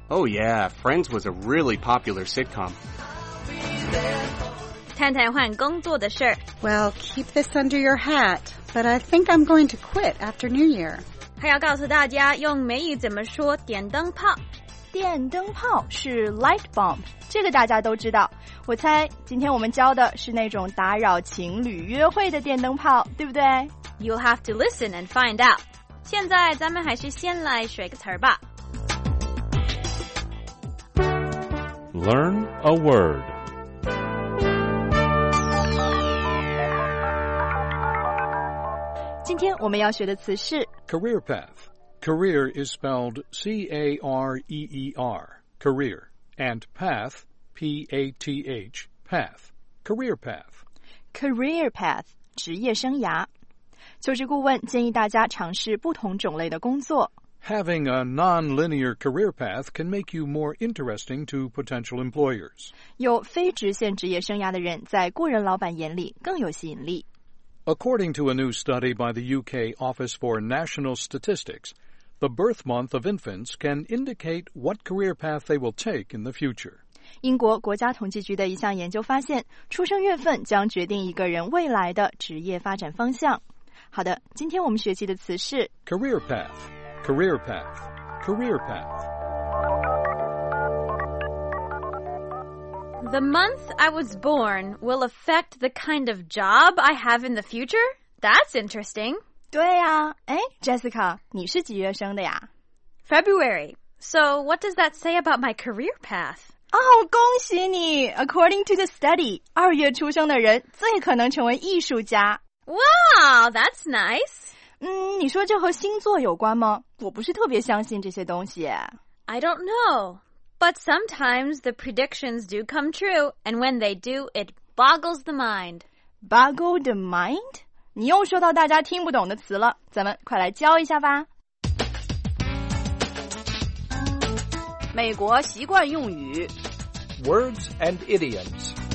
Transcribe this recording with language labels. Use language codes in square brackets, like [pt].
[en] Oh yeah, Friends was a really popular sitcom. [zh] 谈谈换工作的事儿。 [en] Well, keep this under your hat, but I think I'm going to quit after New Year. [zh] 还要告诉大家用美语怎么说电灯泡。电灯泡是 light bulb， 这个大家都知道。我猜今天我们教的是那种打扰情侣约会的电灯泡，对不对？ [en] You'll have to listen and find out。 [zh] 现在咱们还是先来学个词儿吧。 [en] Learn a word。 [zh] 今天我们要学的词是 [en] career path. Career is spelled C-A-R-E-E-R, career, and path, P-A-T-H, path, career path. [zh] Career path, 职业生涯。求职顾问建议大家尝试不同种类的工作。 [en] Having a non-linear career path can make you more interesting to potential employers. [zh] 有非直线职业生涯的人在雇人老板眼里更有吸引力。 [en] According to a new study by the UK Office for National Statistics, the birth month of infants can indicate what career path they will take in the future. [zh] 英国国家统计局的一项研究发现，出生月份将决定一个人未来的职业发展方向。好的，今天我们学习的词是 [en] career path, career path, career path. The month I was born will affect the kind of job I have in the future? That's interesting. [zh] 对呀、啊，哎 ，Jessica， 你是几月生的呀 [en] ？February. So what does that say about my career path? [zh] 哦、oh, ，恭喜你 ！ [en] According to the study, [zh] 二月出生的人最可能成为艺术家。 [en] Wow, that's nice. [zh] 嗯，你说这和星座有关吗？我不是特别相信这些东西。 [en] I don't know. But sometimes the predictions do come true, and when they do, it boggles the mind. Boggle the mind? [zh] 你又说到大家听不懂的词了，咱们快来教一下吧。美国习惯用语 [en] Words and idioms.